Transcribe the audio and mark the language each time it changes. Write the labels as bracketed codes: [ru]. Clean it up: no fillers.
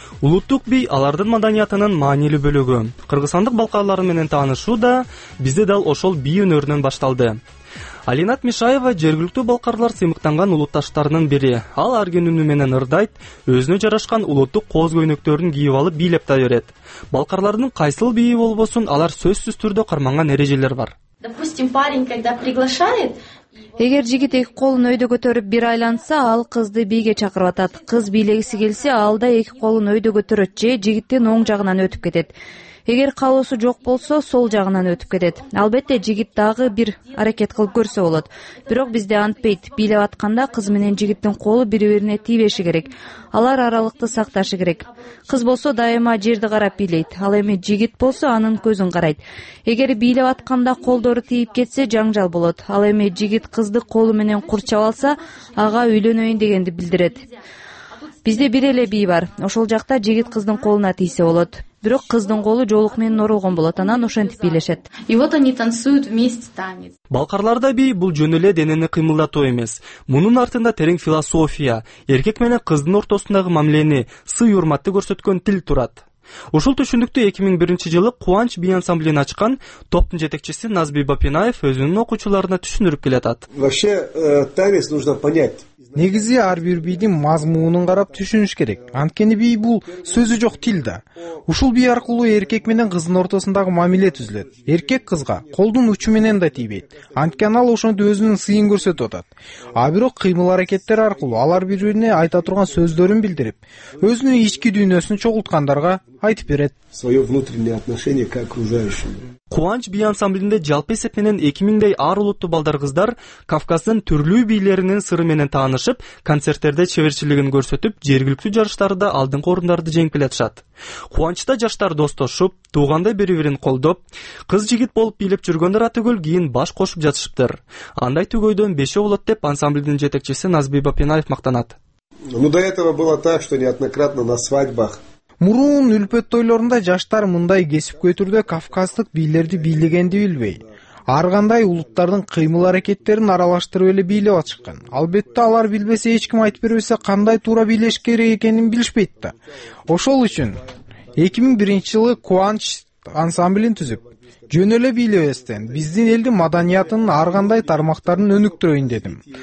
[ky] Улуттук бий алардын маданиятынын маанилүү бөлүгү. Кыргызстандык балкарлар менен таанышуу да бизде дал ошол бий өнөрүнөн башталды. Алинат Мишаева жергиликтүү балкарлар сыймыктанган улутташтарынын бири. Ал ар күнүнү менен ырдайт, өзүнө жарашкан улуттук кооз көйнөктөрүн кийип алып бийлеп да берет. Балкарлардын кайсыл бийи болбосун, алар сөзсүз түрдө карманган эрежелер бар. [ru] Допустим, парень когда приглашает, [ky] эгер жигит эки колун өйдө көтөрүп бир айланса, ал кызды бийге чакырып атат. Кыз бийлегиси келсе, ал да эки колун өйдө көтөрөт же жигиттин оң жагынан өтүп кетет. Эгер каалоосу жок болсо, сол жагынан өтүп кетет. Албетте, жигит дагы бир аракет кылып көрсө болот. Бирок бизде антпейт. Бийлеп атканда кыз менен жигиттин колу бири-бирине тийбеши керек. Алар аралыкты сакташы керек. Кыз болсо дайыма жерди карап бийлейт. Ал эми жигит болсо анын көзүн карайт. Эгер бийлеп атканда колдору тийип кетсе жаңжал болот. Ал эми жигит кызды колу менен курчап алса, ага үйлөнөйүн дегенди билдирет. Бизде бир эле бий бар. Ошол жакта жигит кыздын колуна тийсе болот. Бирок кыздын колу жолук менен оролгон болот. Анан ошентип бийлешет. [ru] И вот они танцуют вместе танец. [ky] Балкарларда бий бул жөн эле денени кыймылдатуу эмес. Мунун артында терең философия, эркек менен кыздын ортосундагы мамилени, сый урматты көрсөткөн тил турат. Ушул түшүндүктү 2001 жылы Куанч би ансамблин ачкан топтун жетекчиси Назби Бапинаев өзүнүн окуучуларына түшүндүрүп келатат. [ru] Вообще, танец нужно понять. [ky] Негизи ар бир бийдин мазмунун карап түшүнүш керек. Анткени бий бул сөзү жок тил да. Ушул бий аркылуу эркек менен кыздын ортосундагы мамиле түзүлөт. Эркек кызга колдун учу менен да тийбейт. Анткени ал ошондо өзүнүн сыйын көрсөтүп атат. А бирок кыймыл аракеттер аркылуу алар бири-бирине айта турган сөздөрүн билдирип, өзүнүн ички дүйнөсүн чогулткандарга айтып берет. [ru] Своё внутреннее отношение к окружающим. [ky] Куанч би ансамблинде жалпы эсеп менен 2000 ар улуттуу балдар кыздар Кавказдын түрлүү бийлеринин сыры менен таанышып, концерттерде чеберчилигин көрсөтүп, жергиликтүү жарыштарда алдыңкы орундарды жеңип келатышат. Куанчта жаштар достошуп, туугандай бири-бирин колдоп, кыз жигит болуп бийлеп жүргөндөр атөгөл кийин баш кошуп жатышыптыр. Андай түгөйдөн бешөө болот деп ансамблдин жетекчиси Назби Бапинаев мактанат. [ru] Ну до этого было так, что неоднократно на свадьбах. [ky] Мурун үлпөт тойлорунда жаштар мындай кесипке өтүрдө кавказдык бийлерди бийлегенди билбей, ар кандай улуттардын кыймыл аракеттерин аралаштырып эле бийлеп чыккан. Албетте алар билбесе эч ким айтып бербесе кандай туура бийлеш керек экенин билишпейт да. Ошол үчүн 2001 жылы Куанч ансамблин түзүп, жөн эле бийлебестен биздин элдин маданиятынын ар кандай тармактарын өнүктүрөйүн дедим.